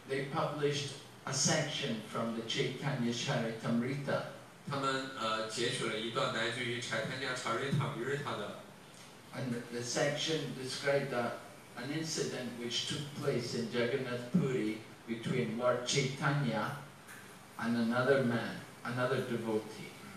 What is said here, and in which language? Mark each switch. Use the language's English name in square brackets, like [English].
[English] they published a section from the Chaitanya Charitamrita. [Chinese] 他们截取了一段来自于柴坦尼亚查瑞塔米瑞塔的。 [English] And the section described an incident which took place in Jagannath Puri between Lord Chaitanya and another man, another devotee.